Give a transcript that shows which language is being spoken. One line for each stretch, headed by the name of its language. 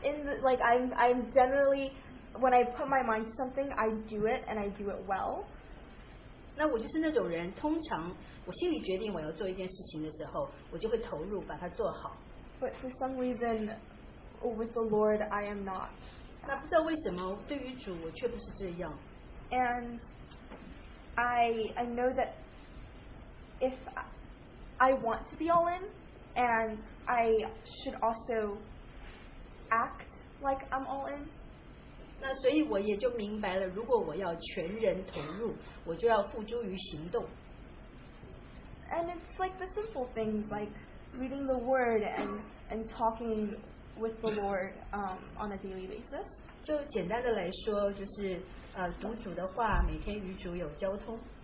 English: In the, like I'm generally when I put my mind to something, I do it and I do it well.
Chinese: 那我就是那种人，通常我心里决定我要做一件事情的时候，我就会投入把它做好。
English: But for some reason, with the Lord, I am not.
Chinese: 那不知道为什么，对于主我却不是这样。
English: And I know that if I want to be all in, and I should also act like I'm all in.
Chinese: 那所以我也就明白了，如果我要全人投入，我就要付诸于行动。
English: And it's like the simple things like reading the word and talking with the Lord on a daily basis.
Chinese: 就简单的来说，就是读主的话，每天与主有交通。